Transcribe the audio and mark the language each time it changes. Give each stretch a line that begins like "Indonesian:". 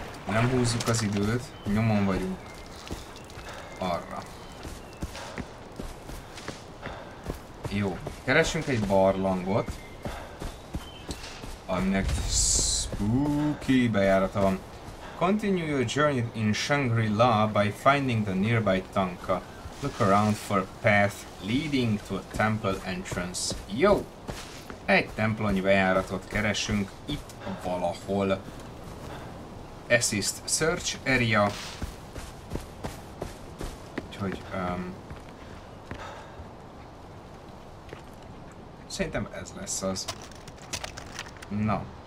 Hungarian: Nem húzzuk az időt, nyomon vagyunk. Arra. Jó, keresünk egy barlangot, aminek spooky bejárata van.
English: Continue your journey in Shangri-La by finding the nearby tanka. Look around for a path leading to a temple entrance.
Hungarian: Jó, egy templomnyi bejáratot keresünk itt valahol.
English: Assist search area.
Hungarian: Úgyhogy szerintem ez lesz az. Na.